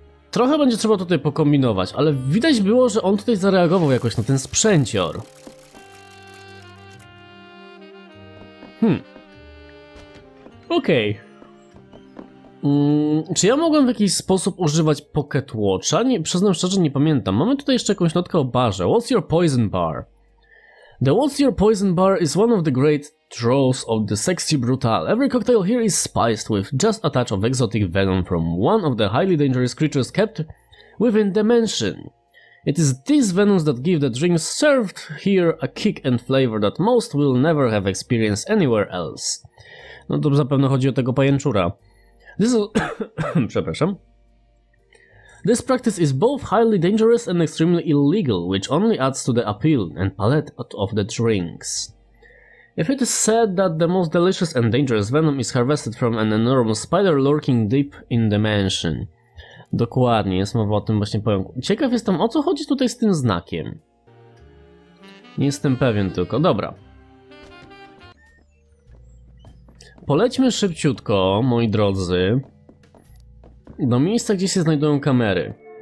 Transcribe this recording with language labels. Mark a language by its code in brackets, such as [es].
[pl] Trochę będzie trzeba tutaj pokombinować, ale widać było, że on tutaj zareagował jakoś na ten sprzęcior. Okej. Czy ja mogłem w jakiś sposób używać Pocket Watcha? Nie, przyznam szczerze, nie pamiętam. Mamy tutaj jeszcze jakąś notkę o barze. [en] What's your poison bar? The What's your poison bar is one of the great draws of the sexy brutal. Every cocktail here is spiced with just a touch of exotic venom from one of the highly dangerous creatures kept within the mansion. It is these venoms that give the drinks served here a kick and flavor that most will never have experienced anywhere else. [pl] No to zapewne chodzi o tego pajęczura. [en] This is... [pl] Przepraszam. [en] This practice is both highly dangerous and extremely illegal, which only adds to the appeal and palette of the drinks. If it is said that the most delicious and dangerous venom is harvested from an enormous spider lurking deep in the mansion. [pl] Dokładnie, jest mowa o tym właśnie pojęciu. Ciekaw jestem, o co chodzi tutaj z tym znakiem. Nie jestem pewien tylko, dobra. Polećmy szybciutko, moi drodzy, do miejsca, gdzie się znajdują kamery.